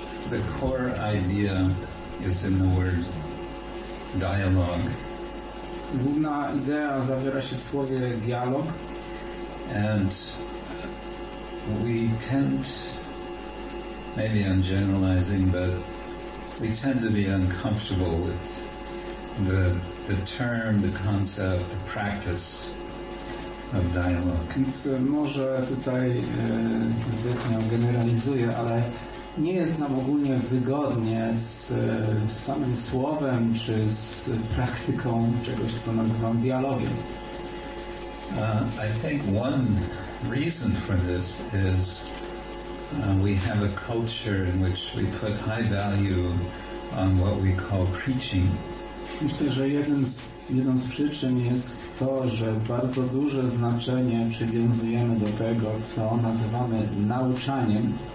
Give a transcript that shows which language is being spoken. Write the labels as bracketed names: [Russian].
[English] The core idea is in the word dialogue. [Polish] Główna idea zawiera się w słowie dialog. [English] And we tend, maybe I'm generalizing, but we tend to be uncomfortable with the term, the concept, the practice of dialogue. [Polish] Więc może tutaj zbytnio generalizuję, ale nie jest nam ogólnie wygodnie z samym słowem czy z praktyką czegoś, co nazywam dialogiem. [English] I think one reason for this is we have a culture in which we put high value on what we call preaching. [Polish] Myślę, że jedną z przyczyn jest to, że bardzo duże znaczenie przywiązujemy do tego, co nazywamy nauczaniem.